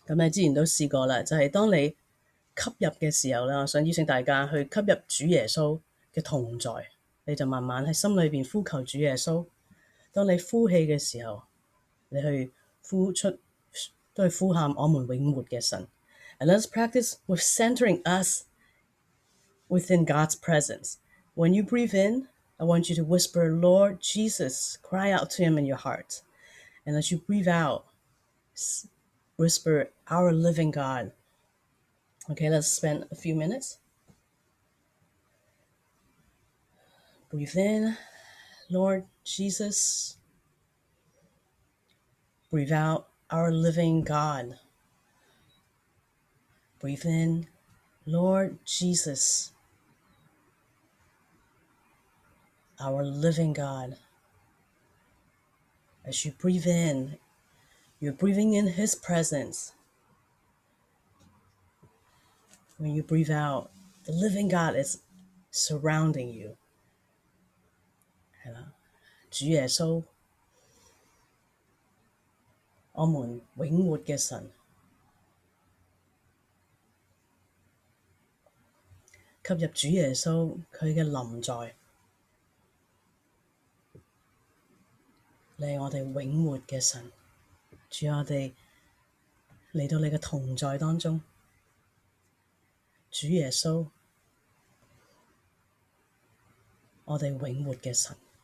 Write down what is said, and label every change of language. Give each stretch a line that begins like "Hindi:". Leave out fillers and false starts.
Chinese: 之前都试过了，就是当你吸入的时候，我想邀请大家去吸入主耶稣的同在，你就慢慢在心里面呼求主耶稣。当你呼气的时候，你去呼出，都是呼喊我们永活的神。
English: And let's practice with centering us within God's presence. When you breathe in, I want you to whisper Lord Jesus, cry out to him in your heart. And as you breathe out, whisper our living GodOkay, let's spend a few minutes. Breathe in, Lord Jesus. Breathe out, our living God. Breathe in, Lord Jesus. Our living God. As you breathe in, you're breathing in His presence. When you breathe out, the living God is surrounding you.
Chinese: 主耶稣，我们永活的神，吸入主耶稣祂的临在，你是我们永活的神，主我们来到你的同在当中。主耶稣，我们永活的神